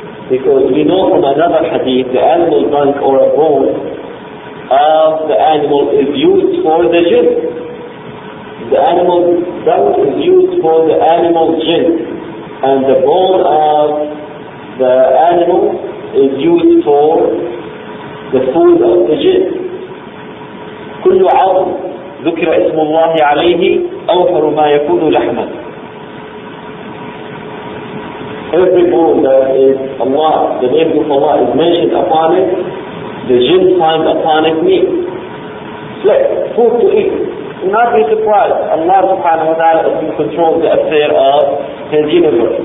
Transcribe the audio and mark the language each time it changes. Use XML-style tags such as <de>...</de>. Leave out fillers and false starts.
<en>Because we know from another hadith, the animal dung or a bone of the animal is used for the jinn. The animal dung is used for the animal jinn. And the bone of the animal is used for the food of the jinn.</en> <ar>كل عظم ذكر اسم الله عليه أوفر ما يكون لحما.</ar> <en>every bone that is Allah, the name of Allah is mentioned upon it, the jinn find upon it meat. Flesh, food to eat. Do not be surprised. Allah subhanahu wa ta'ala is in control of the affair of his universe.</en>